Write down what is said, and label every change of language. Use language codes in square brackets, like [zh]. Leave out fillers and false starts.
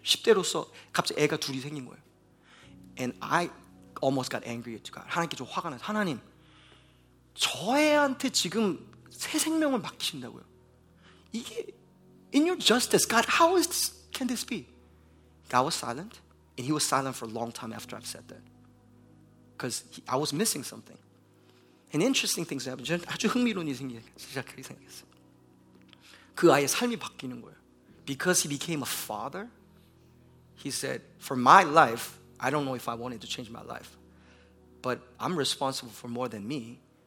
[ko] 10대로서 갑자기 애가 둘이 생긴 거예요. [en] And I almost got angry at God. [ko] 하나님께 좀 화가 나서. 하나님. 저 애한테 지금 새 생명을 맡기신다고요. 이게 [en] in your justice, God, how is this, can this be? God was silent, and he was silent for a long time after I've said that. Because I was missing something. An interesting thing happened. [ko] 아주 흥미로운 일이 생겼어요. 그 아이의 삶이 바뀌는 거예요. [en] Because he became a father, he said, for my life, I don't know if I wanted to change my life, but I'm responsible for more than me.